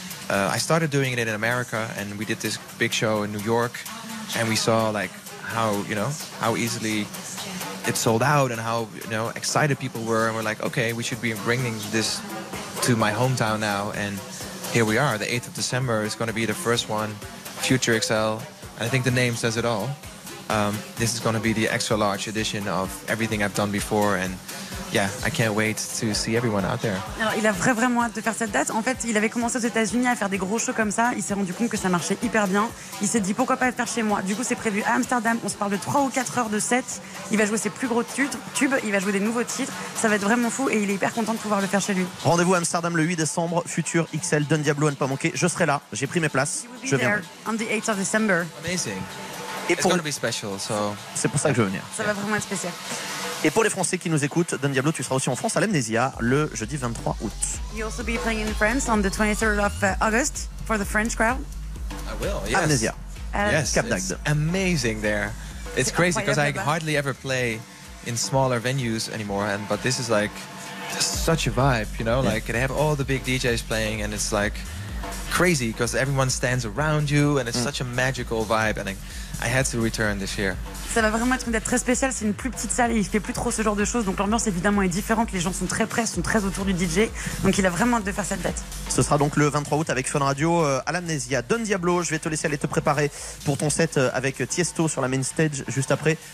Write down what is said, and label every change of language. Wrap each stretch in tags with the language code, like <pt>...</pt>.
<en>I started doing it in America and we did this big show in New York and we saw like how, you know, how easily it sold out and how, you know, excited people were, and we're like, okay, we should be bringing this to my hometown now. And here we are, the 8th of December is going to be the first one, Future XL, and I think the name says it all. This is going to be the extra large edition of everything I've done before, and yeah, I can't wait to see everyone out there.</en> <fr>Alors, il a vraiment hâte de faire cette date. En fait, il avait commencé aux États-Unis à faire des gros shows comme ça. Il s'est rendu compte que ça marchait hyper bien. Il s'est dit pourquoi pas le faire chez moi. Du coup, c'est prévu à Amsterdam. On se parle de 3 ou 4 heures de set. Il va jouer ses plus gros tubes. Il va jouer des nouveaux titres. Ça va être vraiment fou et il est hyper content de pouvoir le faire chez lui. Rendez-vous à Amsterdam le 8 décembre. Future XL, Don Diablo, à ne pas manquer. Je serai là. J'ai pris mes places. Je viendrai.</fr> <en>On the 8th of December. Amazing. It's going to be special, so...</en> <fr>C'est pour ça que je veux venir. Ça va vraiment être spécial. Et pour les Français qui nous écoutent, Don Diablo, tu seras aussi en France à l'Amnésia le jeudi 23 août.</fr> <en>You'll also be playing in France on the 23rd of August for the French crowd. I will, yes.</en> <fr>Amnésia.</fr> <en>Yes,</en> <fr>Cap d'Agde.</fr> <en>It's amazing there. It's crazy because I hardly ever play in smaller venues anymore, but this is like such a vibe, you know? Yeah. Like, they have all the big DJs playing and it's like... crazy because everyone stands around you and it's such a magical vibe. And I had to return this year.</en> <fr>Ça va vraiment être une date très spéciale. C'est une plus petite salle et il fait plus trop ce genre de choses. Donc l'ambiance évidemment est différente. Les gens sont très près, sont très autour du DJ. Donc il a vraiment hâte de faire cette date. Ce sera donc le 23 août avec Fun Radio à l'Amnésia. Don Diablo, je vais te laisser aller te préparer pour ton set avec Tiesto sur la main stage juste après.</fr>